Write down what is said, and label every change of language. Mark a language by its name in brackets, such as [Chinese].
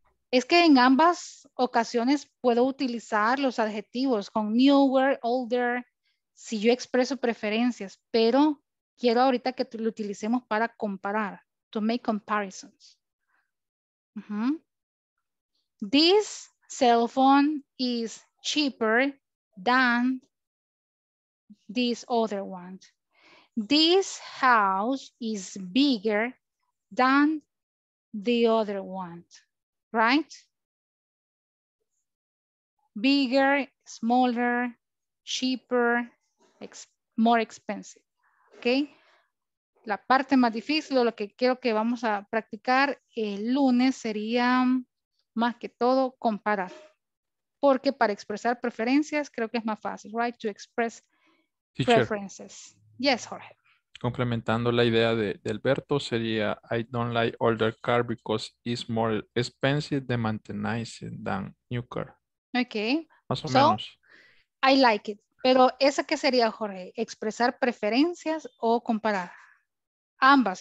[Spanish] Es que en ambas ocasiones puedo utilizar los adjetivos con newer, older, si yo expreso preferencias, pero quiero ahorita que lo utilicemos para comparar, [English] to make comparisons. Uh-huh. This cell phone is cheaper than this other one. This house is bigger than the other one. Right? Bigger, smaller, cheaper, more expensive. Okay? [Spanish] La parte más difícil, lo que quiero que vamos a practicar el lunes sería más que todo comparar. Porque para expresar preferencias creo que es más fácil, [English] right? To express teacher, preferences. Yes, Jorge. [Spanish] Complementando la idea de Alberto sería [English] I don't like older car because it's more expensive to maintenance than new car. Okay. [Spanish] Más o menos. [English] I like it. [Spanish] Pero ¿esa qué sería, Jorge? ¿Expresar preferencias o comparar? Ambas.